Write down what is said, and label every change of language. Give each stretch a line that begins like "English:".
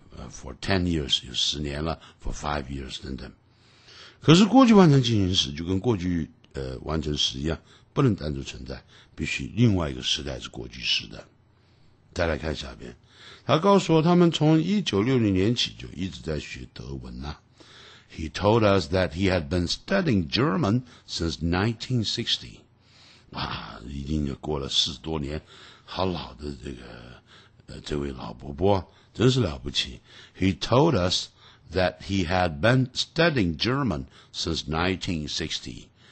English: For 10 years
Chinese: 有十年了
English: ，For 5 years
Chinese: 等等。可是过去完成进行时就跟过去完成时一样，不能单独存在，必须另外一个时态是过去时的。再来看下边，他告诉我他们从1960年起就一直在学德文呐。
English: He told us that he had been studying German since 1960.
Chinese: 哇，已经过了四十多年，好老的这个这位老伯伯真是了不起。
English: He told us that he had been studying German since 1960.